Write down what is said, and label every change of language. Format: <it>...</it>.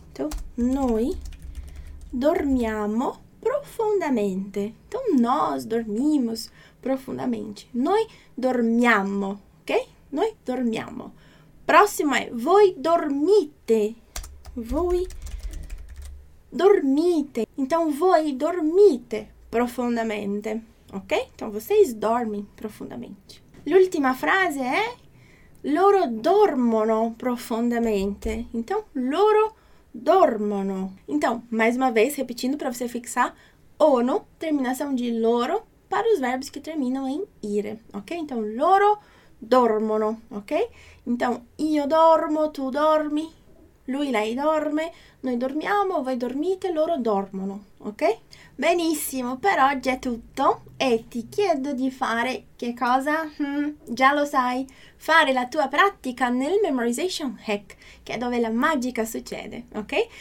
<pt>Então,</pt> <it>noi dormiamo profondamente.</it> <pt>Então, nós dormimos profundamente.</pt> <it>Noi dormiamo, ok? Noi dormiamo.</it> <pt>Próximo é</pt> <it>voi dormite. Voi dormite.</it> <pt>Então,</pt> <it>voi dormite profondamente, ok?</it> <pt>Então, vocês dormem profundamente.</pt> <it>L'ultima frase é loro dormono profondamente.</it> <pt>Então, loro dormono. Então, mais uma vez, repetindo para você fixar ono, terminação de loro, para os verbos que terminam em ire, ok? Então,</pt> <it>loro dormono, ok?</it> <pt>Então,</pt> <it>io dormo, tu dormi, lui, lei dorme, noi dormiamo, voi dormite, loro dormono, ok? Benissimo, per oggi è tutto e ti chiedo di fare che cosa? Già lo sai, fare la tua pratica nel Memorization Hack, che è dove la magica succede, ok?</it>